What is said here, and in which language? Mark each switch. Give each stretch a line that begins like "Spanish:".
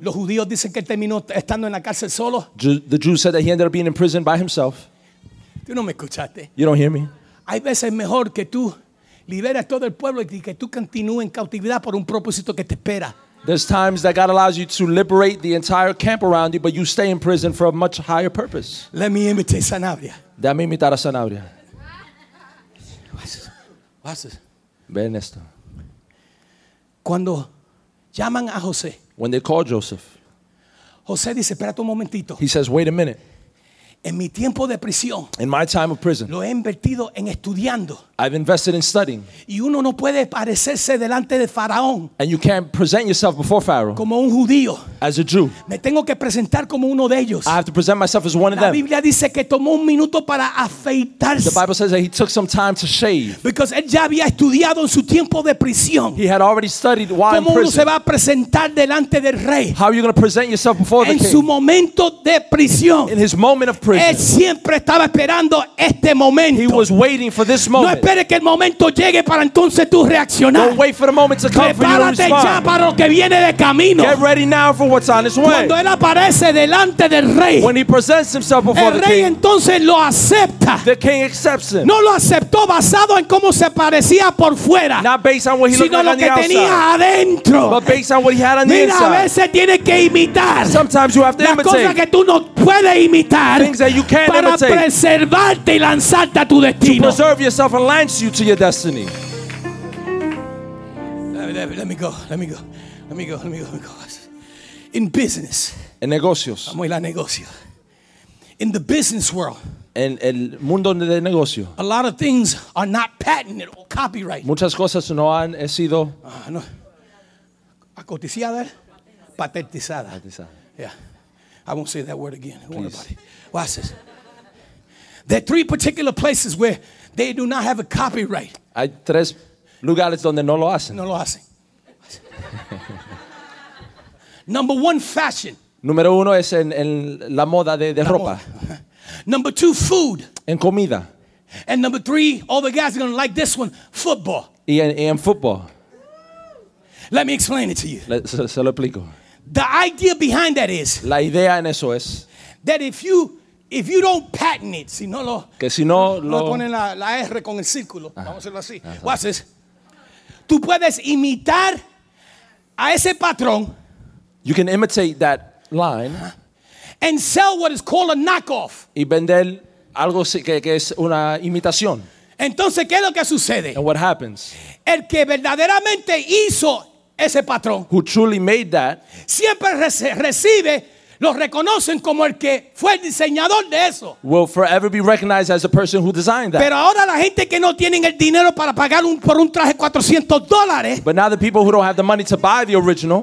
Spanish: Los judíos dicen que terminó estando en la cárcel solo.
English: The Jews said that he ended up being in prison by himself.
Spanish: Tú no me escuchaste.
English: You don't hear me.
Spanish: Hay veces mejor que tú liberes todo el pueblo y que tú continúes en cautividad por un propósito que te espera.
English: There's times that God allows you to liberate the entire camp around you, but you stay in prison for a much higher purpose. Let me imitate Sanabria.
Spanish: Déjame imitar a Sanabria.
English: What's this?
Spanish: Ven esto. Cuando llaman a José.
English: When they call Joseph.
Spanish: José dice, espérate un momentito.
English: He says, wait a minute.
Spanish: En mi tiempo de prisión.
English: In my time of prison.
Spanish: Lo he invertido en estudiando.
English: I've invested in studying.
Spanish: Y uno no puede parecerse delante de Faraón.
English: And you can't present yourself before Pharaoh.
Spanish: Como un judío.
English: As a Jew.
Spanish: Me tengo que presentar como uno de ellos.
English: I have to present myself as one of them.
Spanish: La Biblia dice que tomó un minuto para afeitarse.
English: The Bible says that he took some time to shave. Because
Spanish: él ya había estudiado en su tiempo de prisión.
English: He had already studied while
Spanish: ¿Cómo
English: in prison.
Spanish: Uno se va a presentar delante del rey?
English: How are you going to present yourself before
Spanish: en
English: the king?
Spanish: En su momento de prisión.
English: In his moment of prison.
Spanish: Él siempre estaba esperando este momento.
English: He was waiting for this moment.
Spanish: No espere que el momento llegue para entonces tú reaccionar.
English: Don't wait for the moment to come for you to respond.
Spanish: Prepárate ya para lo que viene de camino.
English: Get ready now for what's on its way.
Spanish: Cuando él aparece delante del rey.
English: When he presents himself before the king.
Spanish: El rey entonces lo acepta.
English: The king accepts him.
Spanish: No lo aceptó basado en cómo se parecía por fuera.
English: Not based on what he looked like on the outside.
Spanish: Sino lo que tenía adentro.
English: But based on what he had on the inside.
Spanish: Mira, a veces tiene que imitar.
English: Sometimes you have to imitate.
Spanish: Las cosas que tú no puedes imitar.
English: Things that you can't imitate.
Spanish: Para preservarte y lanzarte a tu destino.
English: To preserve yourself and lands you to your destiny. Let me go. In business.
Spanish: En negocios. Vamos a ir a negocio.
English: In the business world.
Spanish: En el mundo de negocio.
English: A lot of things are not patented or copyrighted.
Spanish: Muchas cosas no han sido acotizadas, patentizadas.
English: Yeah. I won't say that word again. Watch this. There are three particular places where they do not have a copyright.
Spanish: Hay tres lugares donde no lo hacen. No lo hacen.
English: Number one, fashion.
Spanish: Número uno es en la moda de la ropa. Moda.
English: Number two, food.
Spanish: En comida.
English: And number three, all the guys are going to like this one, football.
Spanish: Y en football.
English: Let me explain it to you.
Spanish: Se lo explico.
English: The idea behind that is.
Spanish: La idea en eso es.
English: That if you don't patent it,
Spanish: si no lo, que si no lo ponen la R con el círculo, vamos a hacerlo así.
English: Watch this.
Spanish: Tú puedes imitar a ese patrón.
English: You can imitate that line. And sell what is called a knockoff.
Spanish: Y vender algo que es una imitación. Entonces, ¿qué es lo que sucede?
English: And what happens?
Spanish: El que verdaderamente hizo ese patrón.
English: Who truly made that.
Spanish: Siempre recibe. Lo reconocen como el que fue el diseñador de eso.
English: Will forever be recognized as the person who designed that.
Spanish: Pero ahora la gente que no tienen el dinero para pagar por un traje $400.
English: But now the people who don't have the money to buy the original.